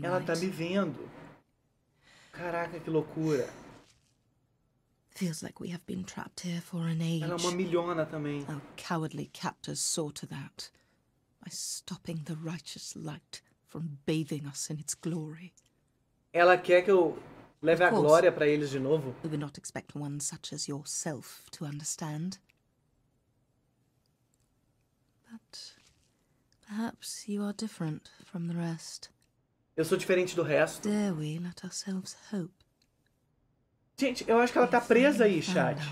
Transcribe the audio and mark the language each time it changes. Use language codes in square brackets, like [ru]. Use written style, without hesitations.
[pt] right. Ela tá me vendo. Caraca, que loucura. [en] Feels like we have been trapped here for an age. [pt] Ela é uma milhona também. [en] Our cowardly captors saw to that by stopping the righteous light from bathing us in its glory. [pt] Ela quer que eu leve a glória para eles de novo. [en] We would not expect one such as yourself to understand. But perhaps you are different from the rest. [pt] Eu sou diferente do resto. [en] Dare we let ourselves hope? [pt] Gente, eu acho que ela tá presa aí, chat.